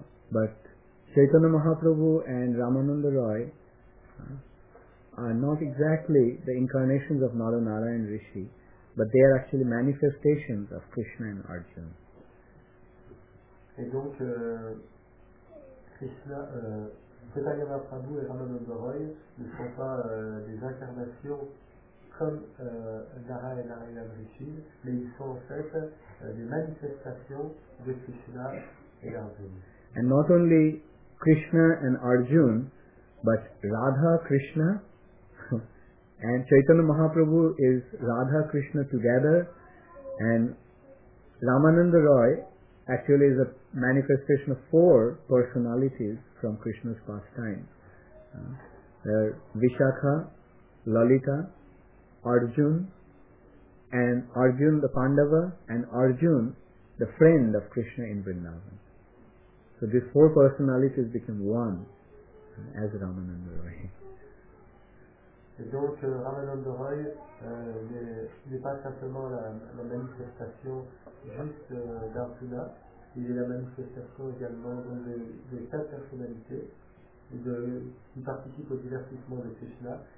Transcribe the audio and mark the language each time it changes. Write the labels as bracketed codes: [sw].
[en] But Chaitanya Mahaprabhu and Ramananda Roy are not exactly the incarnations of Naranarayan and Rishi, but they are actually manifestations of Krishna and Arjuna. [fr] Et donc, Krishna, Chaitanya Mahaprabhu et Ramananda Roy ne sont pas des incarnations comme Narayana Rishi, mais ils sont en fait des manifestations de Krishna et Arjuna. [en] And not only Krishna and Arjuna, but Radha Krishna. And Chaitanya Mahaprabhu is Radha Krishna together, and Ramananda Roy actually is a manifestation of four personalities from Krishna's pastime. There are Vishakha, Lalita, Arjun the Pandava, and Arjun the friend of Krishna in Vrindavan. So these four personalities become one as Ramananda Roy. [fr] Et donc Ramananda Roy n'est pas simplement la manifestation juste d'Arjuna, il est la manifestation également de quatre personnalités qui participent au divertissement de Krishna.